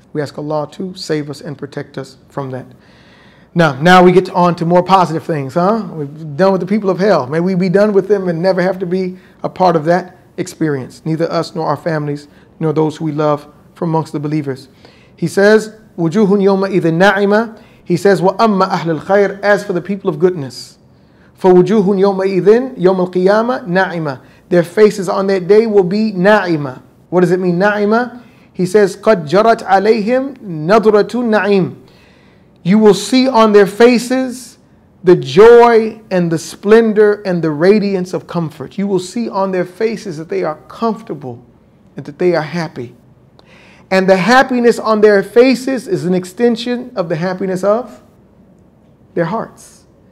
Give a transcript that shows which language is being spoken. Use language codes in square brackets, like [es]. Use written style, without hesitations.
[en] We ask Allah to save us and protect us from that. Now we get on to more positive things, huh? We've done with the people of hell. May we be done with them and never have to be a part of that experience. Neither us nor our families, nor those who we love from amongst the believers. He says, [ar] وَجُوهٌ يَوْمَئِذٍ نَعِمَةٌ. [en] He says, [ar] وَأَمَّا أَهْلُ الْخَيْرِ, [en] as for the people of goodness. [ar] فَوُجُوهٌ يَوْمَئِذٍ يَوْمَ الْقِيَامَةِ نَعِمَةٌ. [en] Their faces on that day will be na'ima. What does it mean, na'ima? He says, [ar] قَدْ جَرَتْ عَلَيْهِمْ نَظْرَةُ نَعِيمٍ. [en] You will see on their faces the joy and the splendor and the radiance of comfort. You will see on their faces that they are comfortable and that they are happy. And the happiness on their faces is an extension of the happiness of their hearts.